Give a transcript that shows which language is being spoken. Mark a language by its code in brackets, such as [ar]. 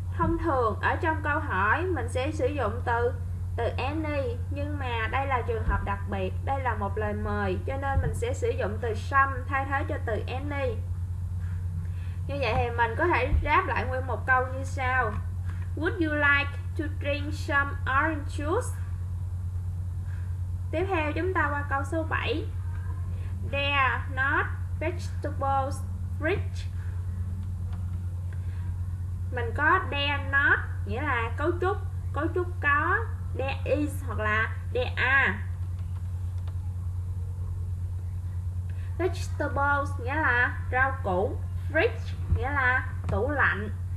[vi] Thông thường ở trong câu hỏi mình sẽ sử dụng từ từ any, nhưng mà đây là trường hợp đặc biệt, đây là một lời mời, cho nên mình sẽ sử dụng từ some thay thế cho từ any. Như vậy thì mình có thể ráp lại nguyên một câu như sau: [en] Would you like to drink some orange juice? [vi] Tiếp theo chúng ta qua câu số 7. [en] There not vegetables fridge. [vi] Mình có there not nghĩa là cấu trúc có, there is hoặc là there are. Vegetables nghĩa là rau củ, fridge nghĩa là tủ lạnh.